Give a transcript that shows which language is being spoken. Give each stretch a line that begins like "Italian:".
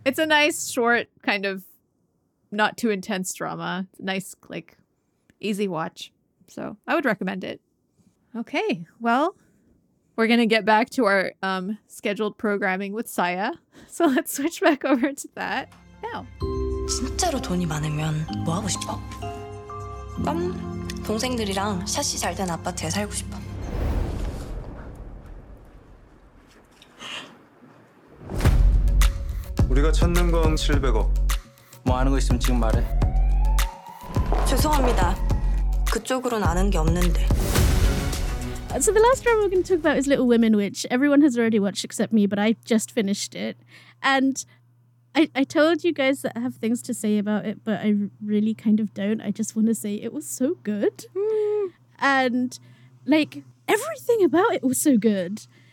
English: It's a nice, short, kind of not too intense drama. It's a nice, like, easy watch. So I would recommend it. Okay. Well, we're going to get back to our scheduled programming with Saya. So let's switch back over to that now.
Korean: 진짜로 돈이 많으면 뭐 하고 싶어? 난 동생들이랑 샷이 잘 된 아파트에 살고 싶어. 우리가 찾는 건 700억. 뭐 아는 거 있으면 지금 말해. 죄송합니다. 그쪽으로는 아는 게 없는데.
English: So the last drama we're going to talk about is Little Women, which everyone has already watched except me, but I just finished it. And I told you guys that I have things to say about it, but I really kind of don't. I just want to say it was so good. And like everything about it was so good.